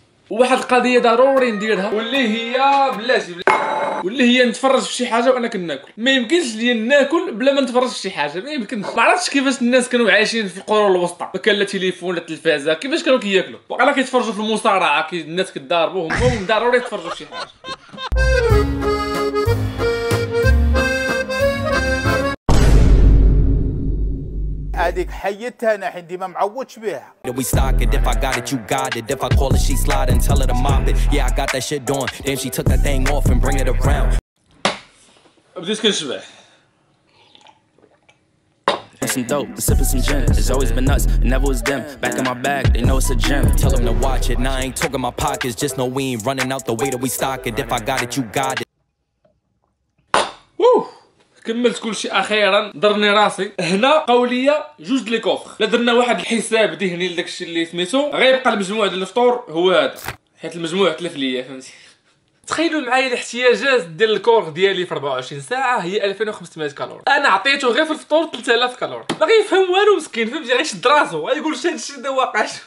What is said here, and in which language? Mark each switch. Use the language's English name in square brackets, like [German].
[Arabic] وواحد القضيه ضروري نديرها واللي هي بلاتي واللي هي نتفرج في شي حاجه وانا كناكل، ما يمكنش ليا ناكل بلا ما نتفرج في شي حاجه، ما يمكنش. ما عرفتش كيفاش الناس كانوا عايشين في القرى الوسطى، ما كان لا تليفون لا تلفازه، كيفاش كانوا كياكلوا؟ وقال لك يتفرجوا في المصارعه، كي الناس كتضاربوا هما ضروري يتفرجوا في شي حاجه. هذيك حيتها انا حيت ديما معوضش بها. [English] We stock it, if I got it, you got it. If I call it, she slide and tell her to mop it. Yeah, I got that shit done. Then she took that thing off and bring it around. [Arabic] بديت كنشبع. [English] Some dope, sipping some gin. It's always been us, never was them. Back in my bag, they know it's a gem. Tell them to watch it. Now I ain't talking my pockets, just know we ain't running out the way that we stock it. If I got it, you got it. [Arabic] كملت كلشي اخيرا، ضرني راسي هنا قوليه جوج لي كوفر. لا درنا واحد الحساب ذهني لداكشي اللي سميتو، غيبقى المجموع ديال الفطور هو هذا، حيت المجموع تلف ليا فهمتي. تخيلوا معايا الاحتياجات ديال الكوفر ديالي في 24 ساعه هي 2500 كالوري، انا عطيته غير في الفطور 3000 كالوري، باغي يفهم والو مسكين فهمتي، غيشد راسو غايقول شنو هادشي اللي واقع.